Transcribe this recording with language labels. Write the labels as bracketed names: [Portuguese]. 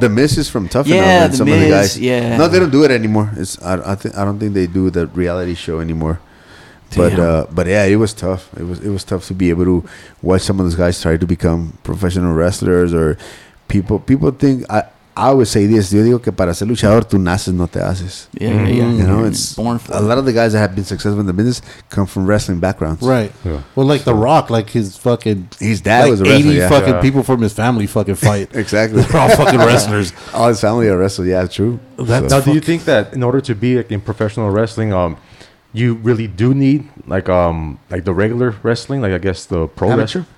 [English] The Miz is from Tough Enough. Yeah, the Miz, some of the guys. Yeah. No, they don't do it anymore. I don't think they do the reality show anymore. But it was tough. It was tough to be able to watch some of those guys try to become professional wrestlers or people think I would say this. [Spanish] Yo digo que para ser luchador tú naces no te haces. [English] Yeah. You know, it's born for a lot of the guys that have been successful in the business come from wrestling backgrounds. Right. Yeah. Well, like The Rock, like his dad like was a wrestler. 80 people from his family fucking fight. Exactly. They're all fucking wrestlers. All his family are wrestlers. Yeah, true. Do you think that in order to be like in professional wrestling, you really do need like the regular wrestling, like I guess the pro wrestler?